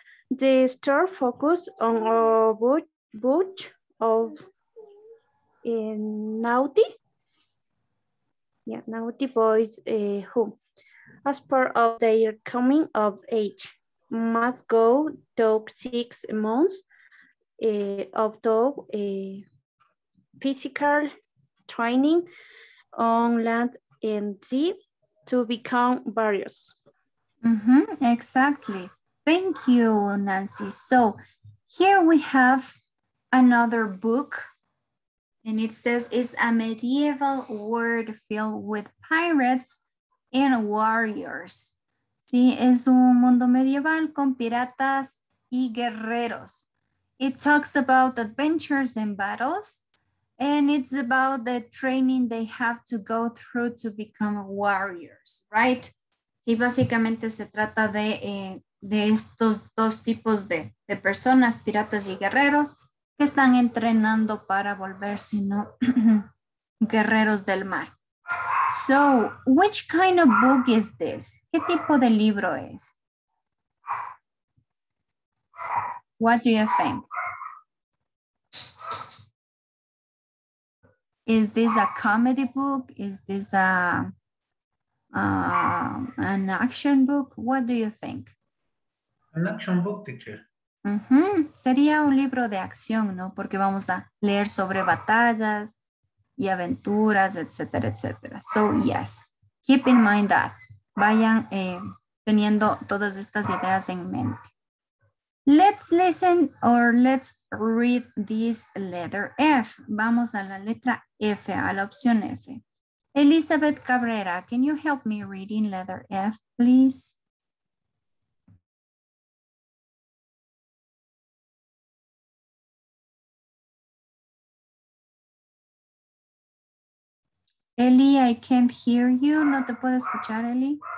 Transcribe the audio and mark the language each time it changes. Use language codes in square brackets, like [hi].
[en] The story focus on a bunch of naughty boys who, as part of their coming of age, must go to 6 months of physical training on land and sea to become warriors. Mm-hmm, exactly. Thank you, Nancy. So here we have another book, and it says it's a medieval world filled with pirates and warriors. [es] Sí, es un mundo medieval con piratas y guerreros. [en] It talks about adventures and battles, and it's about the training they have to go through to become warriors, right? [es] Sí, básicamente se trata de estos dos tipos de personas, piratas y guerreros, que están entrenando para volverse, ¿no? guerreros del mar. [en] So, which kind of book is this? [es] ¿Qué tipo de libro es? [en] What do you think? Is this a comedy book? Is this an action book? What do you think? An action book, teacher. [es] Mm-hmm. Sería un libro de acción, ¿no? Porque vamos a leer sobre batallas y aventuras, etcétera, etcétera. [en] So, yes, keep in mind that. [es] Vayan teniendo todas estas ideas en mente. [en] Let's listen or let's read this letter F. [es] Vamos a la letra F, a la opción F. [en] Elizabeth Cabrera, can you help me reading letter F, please? Eli, I can't hear you. [es] No te puedo escuchar, Eli.